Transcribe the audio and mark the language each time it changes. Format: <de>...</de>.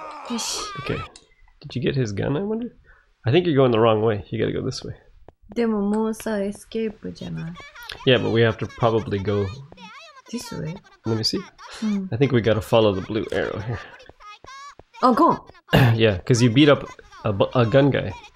<en>Okay. Did you get his gun, I wonder? I think you're going the wrong way. You gotta go this way.</en> <ja>でももうさ、エスケープじゃない?</ja> <en>Yeah, but we have to probably go this way. Let me see. I think we gotta follow the blue arrow here. Oh, go on. Yeah, because you beat up a gun guy.</en>